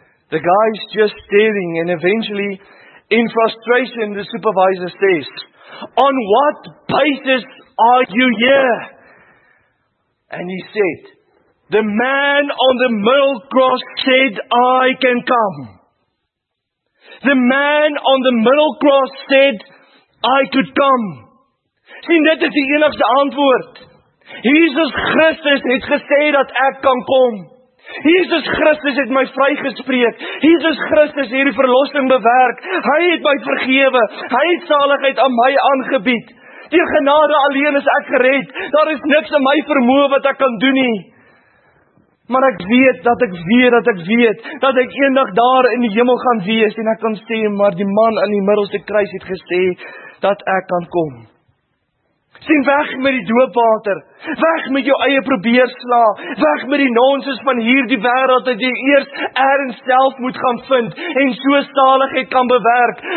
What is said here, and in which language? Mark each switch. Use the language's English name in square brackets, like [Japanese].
[English] The guy's just staring, and eventually, in frustration, the supervisor says, on what basis are you here? And he said, the man on the metal cross said, I can come. The man on the metal cross said, I could come. [Afrikaans] Sien, dit is die enigste antwoord. Jesus Christus het gesê dat ek kan kom. Jesus Christus het my vrygespreek. Jesus Christus het die verlossing bewerk. Hy het my vergewe. Hy het saligheid aan my aangebied. Deur genade alleen is ek gered. Daar is niks in my vermoë wat ek kan doen nie. Maar ek weet dat ek weet dat ek weet dat ek eendag daar in die hemel gaan wees en ek kan sê, maar die man aan die middelste kruis het gesê dat ek kan kom. Sien, weg met die doopwater, weg met jou eie probeersla, weg met die nonsens van hierdie wêreld dat jy eers ergens self moet gaan vind en so saligheid kan bewerk.